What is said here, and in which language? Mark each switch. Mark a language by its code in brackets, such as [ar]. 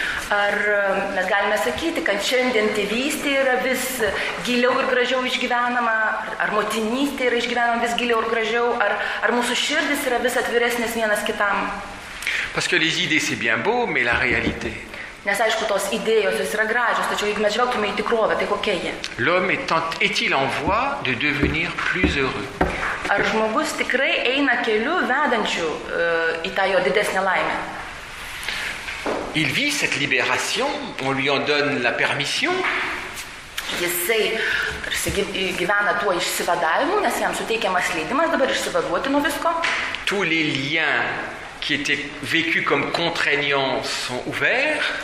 [lt] Ar mes galime sakyti, kad šiandien tėvystė yra vis giliau ir gražiau išgyvenama, ar motinystė yra išgyvenama vis giliau ir gražiau, ar mūsų širdis yra vis atviresnės vienas kitam? [fr] Parce que les idées c'est bien beau, mais la réalité. [lt] Nes aišku, tos idėjos jis yra gražios, tačiau jeigu mes žvelgtume į tikrovę, tai kokia jie? [fr] L'homme est-il en voie de devenir plus heureux? [lt] Ar žmogus tikrai eina keliu vedančiu į tą jo didesnę laimę? [fr] Il vit cette libération, on lui en donne la permission. [lt] Jisai gyvena tuo išsivadavimu, nes jam suteikiamas leidimas dabar išsivaduoti nuo visko. [fr] Tous les liens qui étaient vécus comme contraignants sont ouverts.